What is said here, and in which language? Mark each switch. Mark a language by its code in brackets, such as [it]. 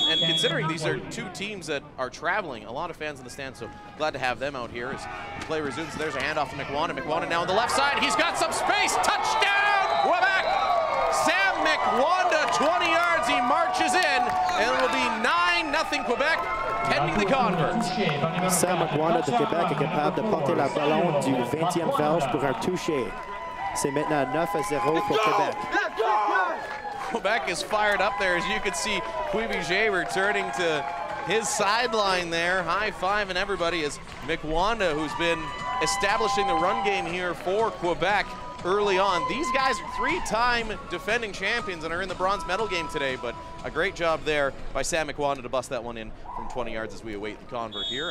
[en] And considering these are two teams that are traveling, a lot of fans in the stands, so glad to have them out here as play resumes. There's a handoff to McWanda. McWanda now on the left side. He's got some space. Touchdown, Quebec! Sam McWanda, 20 yards. He marches in, and it will be 9-0 Quebec, pending the convert. [fr] Sam McWanda de Quebec est capable de porter la ballon du 20e verge pour un touché. C'est maintenant 9-0 pour Quebec. [en] Quebec is fired up there, as you can see Cuvier returning to his sideline there. High five and everybody is McWanda, who's been establishing the run game here for Quebec early on. These guys are three-time defending champions and are in the bronze medal game today, but a great job there by Sam McWanda to bust that one in from 20 yards as we await the convert here.